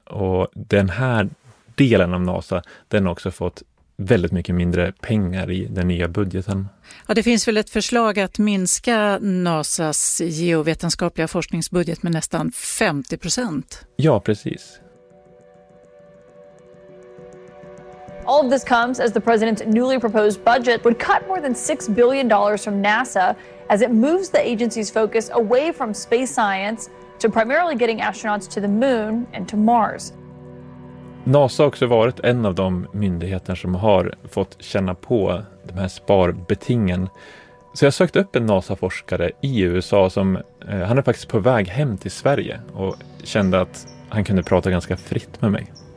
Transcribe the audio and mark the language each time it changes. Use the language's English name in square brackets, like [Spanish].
[Swedish] Och den här delen av NASA, den har också fått väldigt mycket mindre pengar i den nya budgeten. Ja, det finns väl ett förslag att minska NASAs geovetenskapliga forskningsbudget med nästan 50%. Ja, precis. [English] All of this comes as the president's newly proposed budget would cut more than $6 billion from NASA as it moves the agency's focus away from space science to primarily getting astronauts to the moon and to Mars. [Swedish] NASA har också varit en av de myndigheter som har fått känna på de här sparbetingen. Så jag sökte upp en NASA-forskare i USA som, han är faktiskt på väg hem till Sverige och kände att han kunde prata ganska fritt med mig.